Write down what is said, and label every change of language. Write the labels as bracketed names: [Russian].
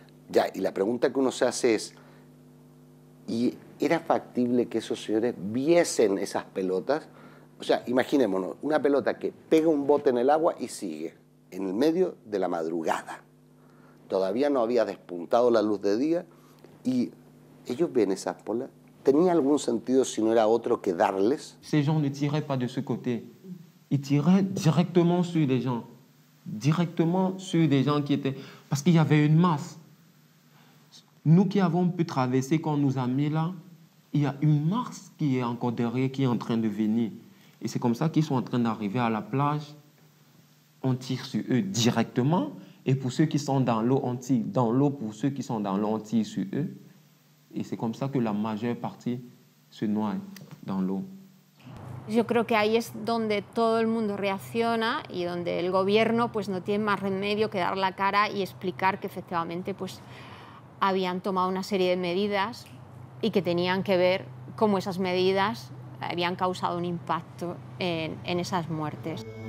[Spanish] Ya, y la pregunta que uno se hace es, ¿y era factible que esos señores viesen esas pelotas? O sea, imaginémonos, una pelota que pega un bote en el agua y sigue, en el medio de la madrugada. Todavía no había despuntado la luz de día y ellos ven esas bolas. ¿Tenía algún sentido si no era otro que darles? [French] Ces gens ne tiraient pas de ce côté. Ils tiraient directement sur des gens. Directement sur des gens qui étaient... Parce qu'il y avait une masse. Nous qui avons pu traverser quand on nous a mis là, il y a une masse qui est encore derrière, qui est en train de venir. Et c'est comme ça qu'ils sont en train d'arriver à la plage. On tire sur eux directement. Et pour ceux qui sont dans l'eau, on tire dans l'eau. Pour ceux qui sont dans l'eau, on tire sur eux. [Spanish] Y es como que la mayor parte se [French] noie en l'eau. [Spanish] Yo creo que ahí es donde todo el mundo reacciona y donde el gobierno pues, no tiene más remedio que dar la cara y explicar que efectivamente pues, habían tomado una serie de medidas y que tenían que ver cómo esas medidas habían causado un impacto en esas muertes.